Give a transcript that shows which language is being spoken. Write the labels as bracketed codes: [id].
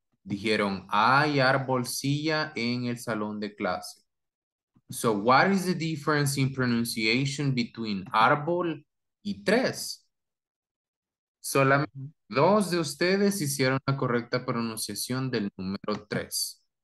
[es] Dijeron, hay árbol silla en el salón de clase. [en] So what is the difference in pronunciation between árbol y tres? [es] Solamente dos de ustedes hicieron la correcta pronunciación del número tres.